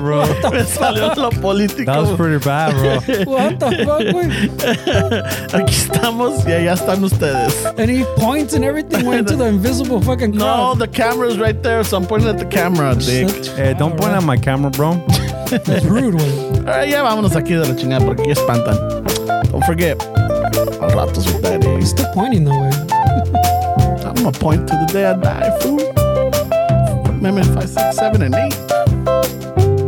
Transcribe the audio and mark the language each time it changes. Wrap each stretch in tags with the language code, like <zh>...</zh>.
<es>bro. Me salió lo político.</es> <en>That was pretty bad, bro. What the fuck, güey?</en> <es>Aquí estamos y allá están ustedes.</es> <en>And he points and everything went to the invisible fucking crowd. No, the camera's right there, so I'm pointing at the camera, dick. Hey, don't point at my camera, bro. That's rude, güey.</en> <es>All right, ya vámonos aquí de la chingada porque aquí espantan.</es> <en>Don't forget. A ratos with that, he's still pointing, though, güey. I'm gonna point to the day I die, fool. Amendment 5, 6, 7, and 8.</en>